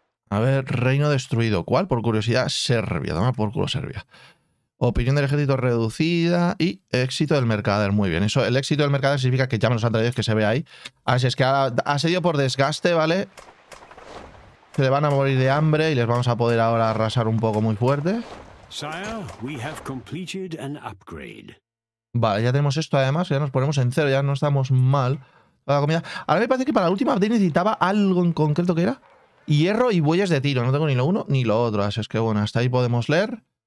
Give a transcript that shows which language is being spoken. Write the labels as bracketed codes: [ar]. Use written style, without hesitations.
[es] A ver, reino destruido. ¿Cuál? Por curiosidad, Serbia. Dame por culo, Serbia. Opinión del ejército reducida y éxito del mercader. Muy bien. Eso, el éxito del mercader significa que ya me los han traído, que se ve ahí. Así es que ha sido por desgaste, ¿vale? Se le van a morir de hambre y les vamos a poder ahora arrasar un poco muy fuerte. [en] Sire, we have completed an upgrade. [es] Vale, ya tenemos esto además. Ya nos ponemos en cero, ya no estamos mal. La comida. Ahora me parece que para la última update necesitaba algo en concreto que era hierro y bueyes de tiro. No tengo ni lo uno ni lo otro. Así es que bueno, hasta ahí podemos leer.